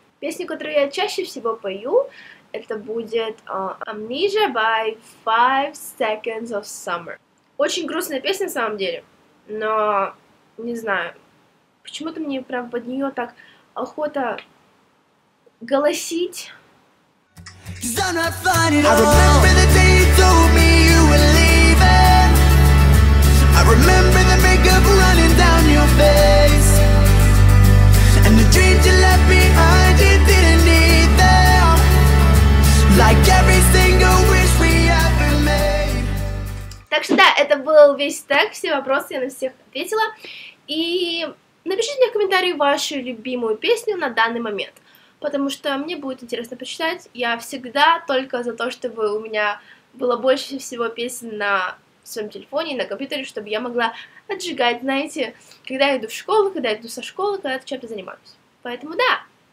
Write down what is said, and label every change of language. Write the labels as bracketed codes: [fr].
[ru] Песня, которую я чаще всего пою, это будет Amnesia by 5 Seconds of Summer. Очень грустная песня, на самом деле, но не знаю, почему-то мне прям под нее так охота голосить. [en] I remember the day you told me you were leaving. I remember the makeup running down your face. And the dreams you left behind, you didn't need them. Like every single wish we ever made. [ru] Так что да, это был весь тег, все вопросы я на всех ответила. И напишите мне в комментарии вашу любимую песню на данный момент, потому что мне будет интересно почитать. Я всегда только за то, чтобы у меня было больше всего песен на своем телефоне и на компьютере, чтобы я могла отжигать, знаете, когда я иду в школу, когда я иду со школы, когда я чем-то занимаюсь. Поэтому да,